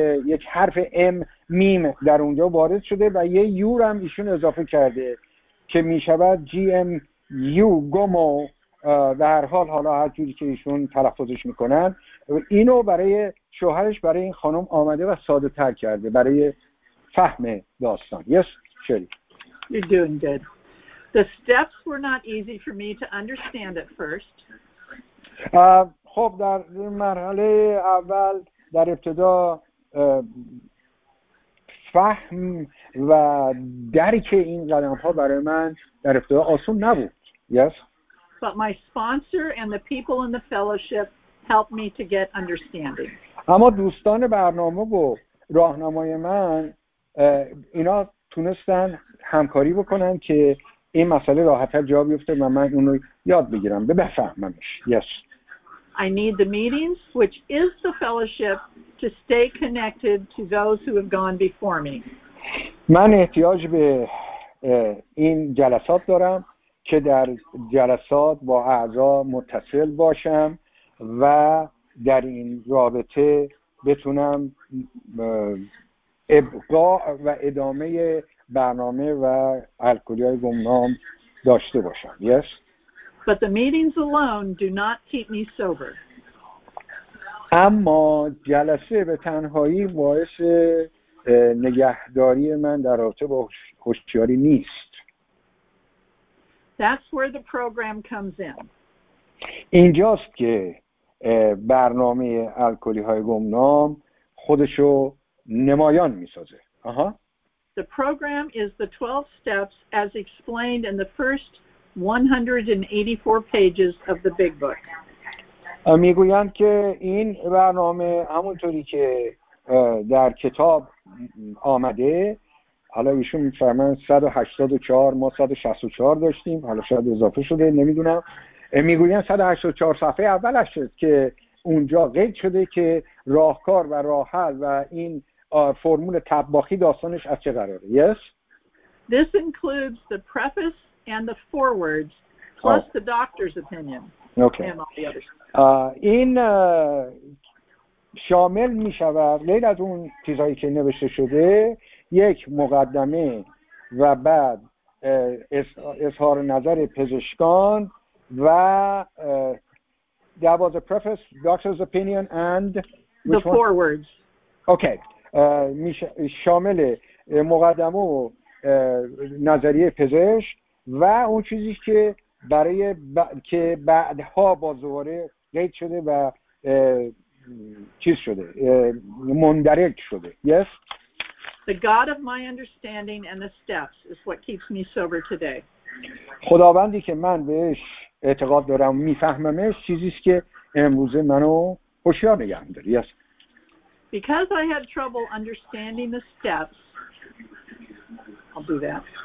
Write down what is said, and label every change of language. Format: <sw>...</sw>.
<fa>یک حرف ام میم در اونجا وارد شده و یه یور هم ایشون اضافه کرده که میشود جی ام یو گومو و هر حال حالا هر جوری که ایشون تلفظش میکنن اینو برای شوهرش برای این خانم آمده و ساده تر کرده برای فهم داستان.</fa> <en>Yes. You're doing good. The steps were not easy for me to understand at first.</en> <fa>خب در مرحله اول در ابتدا فهم و درک این قدم‌ها برای من در ابتدا آسون نبود.</fa> <en>Yes. But my sponsor and the people in the fellowship helped me to get understanding.</en> <fa>اما دوستان برنامه و راهنمای من اینا تونستن همکاری بکنن که این مسئله راحت‌تر جا بیفته و من اونو یاد بگیرم به بفهممش.</fa> <en>Yes. I need the meetings, which is the fellowship, to stay connected to those who have gone before me.</en> <fa>من احتیاج به این جلسات دارم که در جلسات با اعضا متصل باشم و در این رابطه بتونم ابقا و ادامه برنامه و الکلیای گمنام داشته باشم.</fa> <en>Yes. But the meetings alone do not keep me sober.</en> <fa>اما جلسه به تنهایی باعث نگهداری من در رابطه با هوشیاری نیست.</fa> <en>That's where the program comes in.</en> <fa>اینجاست که برنامه الکلی های گمنام خودشو نمایان می‌سازه. آها.</fa> <en>The program is the 12 steps as explained in the first 184 pages of the Big Book.</en> <fa>میگویند که این برنامه همونطوری که در کتاب آمده، حالا ایشون می‌فرمایند 184، ما 164 داشتیم، حالا شاید اضافه شده، نمیدونم. میگویند 184 صفحه اولش است که اونجا قید شده که راهکار و راه حل و این فرمول طباخی داستانش از چه قراره.</fa> <en>Yes. This includes the preface and the forewords plus the doctor's opinion. Okay.</en> <fa>این شامل می شود غیر از اون چیزایی که نوشته شده، یک مقدمه و بعد اظهار نظر پزشکان و</fa> <en>that was the preface, doctor's opinion and the forewords. Okay.</en> <fa>شامل مقدمه و نظریه پزشک و اون چیزی که برای که بعدها بازواره قید شده و چیز شده مندرج شده.</fa> <en>Yes. The God of my understanding and the steps is what keeps me sober today.</en> <fa>خداوندی که من بهش اعتقاد دارم میفهممش چیزی است که امروز منو هوشیار نگه می‌داره.</fa> <en>Yes. Because I had trouble understanding the steps, I'll do that.</en>